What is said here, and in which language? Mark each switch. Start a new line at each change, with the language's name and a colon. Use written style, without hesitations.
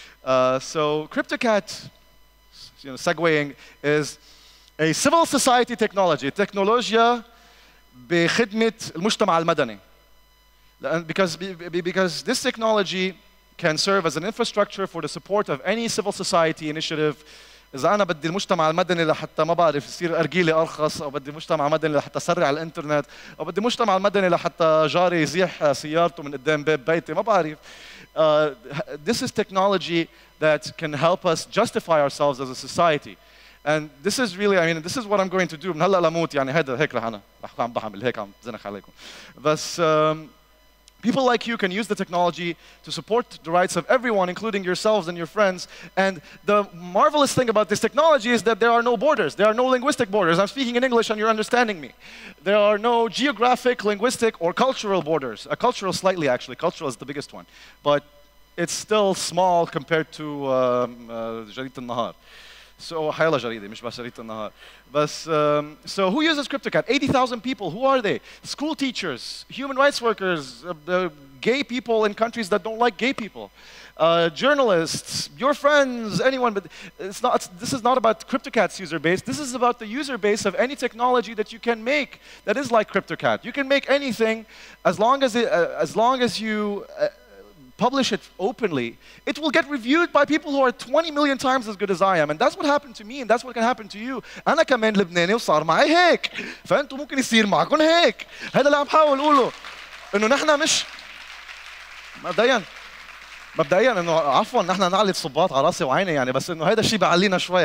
English: So Cryptocat, you know, segueing, is a civil society technology, technologia
Arabic: بخدمه المجتمع المدني.
English: Because this technology can serve as an infrastructure for the support of any civil society initiative.
Arabic: إذا أنا بدي المجتمع المدني لحتى ما بعرف يصير أرجيلي أرخص أو بدي مجتمع مدني لحتى أسرع الإنترنت أو بدي مجتمع مدني لحتى جاري يزيح سيارته من قدام باب بيتي ما بعرف.
English: This is technology that can help us justify ourselves as a society. And this is really, I mean, this is what I'm going to do.
Arabic: من هلا لموت يعني هذا هيك رح أنا رح عم بعمل هيك عم بزنخ عليكم. بس
English: people like you can use the technology to support the rights of everyone, including yourselves and your friends. And the marvelous thing about this technology is that there are no borders. There are no linguistic borders. I'm speaking in English and you're understanding me. There are no geographic, linguistic, or cultural borders. Cultural slightly, actually. Cultural is the biggest one. But it's still small compared to Jarida al-Nahar.
Arabic: So, حيلا جريدة مش بس جريدة النهار. بس,
English: so who uses Cryptocat? 80,000 people, who are they? School teachers, human rights workers, gay people in countries that don't like gay people, journalists, your friends, anyone. But this is not about Cryptocat's user base. This is about the user base of any technology that you can make that is like Cryptocat. You can make anything as long as you publish it openly, it will get reviewed by people who are 20 million times as good as I am. And that's what happened to me, and that's what can happen to you.
Arabic: أنا كمان لبناني وصار معي هيك. فأنتوا ممكن يصير معكم هيك. هذا اللي عم حاول أقوله. إنه نحنا مش... مبدئياً إنه عفواً نحنا نعلي صباط على راسي وعيني يعني, بس إنه هذا الشيء بعلينا شوي.